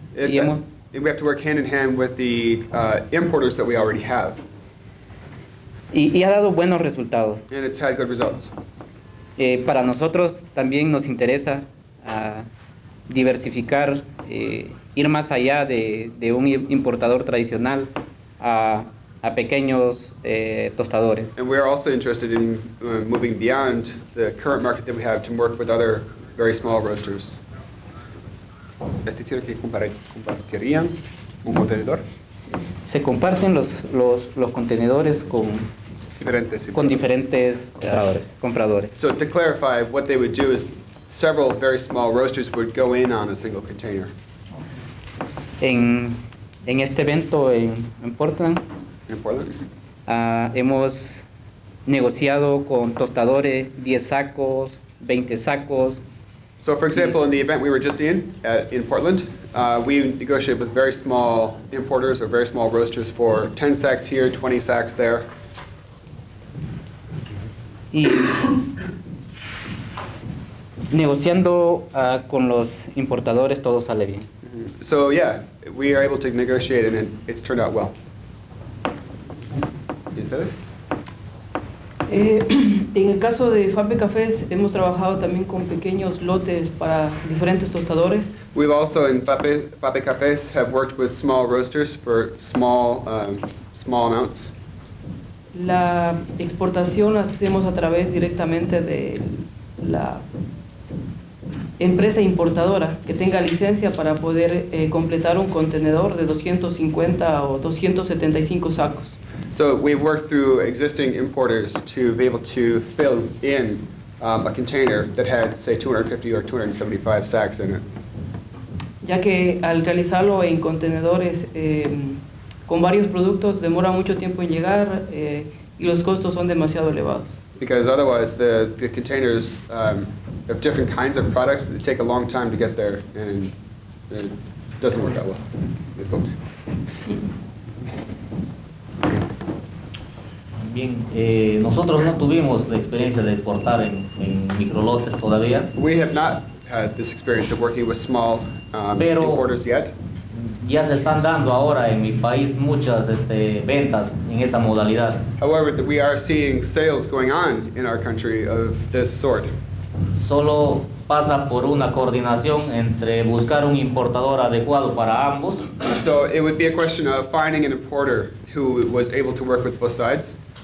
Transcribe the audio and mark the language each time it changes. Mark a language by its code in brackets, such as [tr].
[en] And we have to work hand in hand with the importers that we already have. [es] Y ha dado buenos resultados. [en] And it's had good results. [es] Para nosotros también nos interesa diversificar, ir más allá de un importador tradicional a pequeños tostadores. [en] And we are also interested in moving beyond the current market that we have to work with other very small roasters. [es] Es decir, que compartirían un contenedor. Se comparten los contenedores con diferentes, con diferentes compradores. [en] So to clarify, what they would do is several very small roasters would go in on a single container. [es] En este evento en Portland. En Portland. Hemos negociado con tostadores 10 sacos, 20 sacos. [en] So, for example, in the event we were just in Portland, we negotiated with very small importers or very small roasters for 10 sacks here, 20 sacks there. [es] Y negociando con los importadores, todo sale bien. [en] So, yeah, we are able to negotiate, and it's turned out well. Is that it? [es] En el caso de Fabe Cafés, hemos trabajado también con pequeños lotes para diferentes tostadores. [en] We've also, in Fabe Cafés, have worked with small roasters for small amounts. [es] La exportación hacemos a través directamente de la empresa importadora que tenga licencia para poder completar un contenedor de 250 o 275 sacos. [en] So we've worked through existing importers to be able to fill in a container that had, say, 250 or 275 sacks in it. [es] Ya que al realizarlo en contenedores con varios productos demora mucho tiempo en llegar y los costos son demasiado elevados. [en] Because otherwise the containers of different kinds of products that take a long time to get there and it doesn't work that well. [es] Bien, nosotros no tuvimos la experiencia de exportar en microlotes todavía. [en] We have not had this experience of working with small importers yet. [es] Ya se están dando ahora en mi país muchas ventas en esa modalidad. [en] However, we are seeing sales going on in our country of this sort. [es] Solo pasa por una coordinación entre buscar un importador adecuado para ambos. [en] So it would be a question of finding an importer who was able to work with both sides.